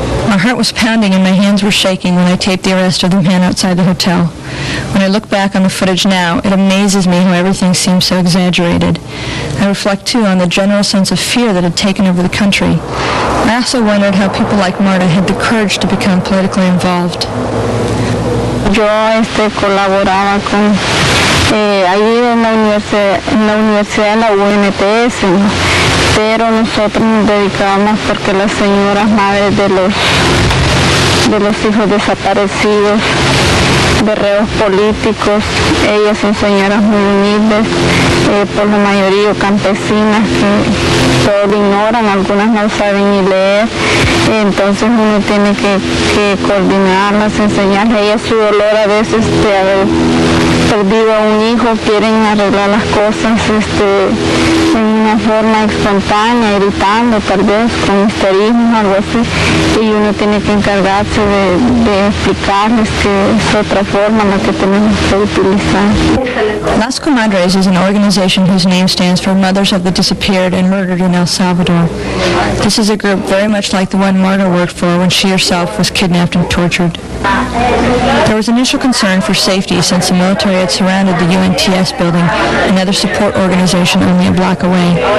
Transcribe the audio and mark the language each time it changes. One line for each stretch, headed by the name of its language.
English: My heart was pounding and my hands were shaking when I taped the arrest of the man outside the hotel. When I look back on the footage now, it amazes me how everything seems so exaggerated. I reflect, too, on the general sense of fear that had taken over the country. I also wondered how people like Marta had the courage to become politically involved.
Spanish: Yo colaboraba con ahí en la universidad, en la UNTS, ¿no? Pero nosotros nos dedicábamos porque las señoras madres de los hijos desaparecidos, de reos políticos, ellas son señoras muy humildes, por la mayoría campesinas que todo lo ignoran, algunas no saben ni leer, entonces uno tiene que coordinarlas, enseñarles, ellas su dolor a veces de haber perdido a un hijo, quieren arreglar las cosas en una forma espontánea, gritando tal vez, con histerismo, algo así, y uno tiene que encargarse de explicarles que es otra forma la que tenemos que utilizar.
English: Las Comadres is an organization whose name stands for Mothers of the Disappeared and Murdered in El Salvador. This is a group very much like the one Marta worked for when she herself was kidnapped and tortured. There was initial concern for safety since the military had surrounded the UNTS building, another support organization only a block away.